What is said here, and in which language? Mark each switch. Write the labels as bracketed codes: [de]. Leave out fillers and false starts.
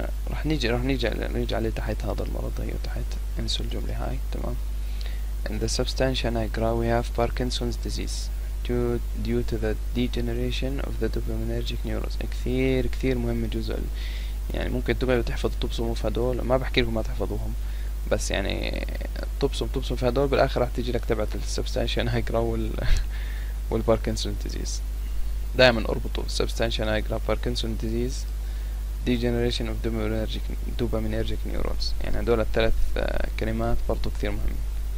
[ar] رح نيجي رح نيجي نرجع لتحت هذا المرض هي تحت انسوا الجملة هاي تمام. [en] In the substantia nigra we have Parkinson's disease due to the degeneration of the dopaminergic neurons. [ar] كثير كثير مهم جزء يعني ممكن تقعدوا تحفظوا طبسم هدول ما بحكي لكم ما تحفظوهم بس يعني طبسم في هدول بالاخر راح تيجي لك تبعت السبستانشيا نايجرا والباركنسون ديزيز دائما اربطوا السبستانشيا نايجرا باركنسون ديزيز ديجنريشن اوف دوبامينرجيك نيورونز يعني هدول الثلاث كلمات برضو كثير مهمة.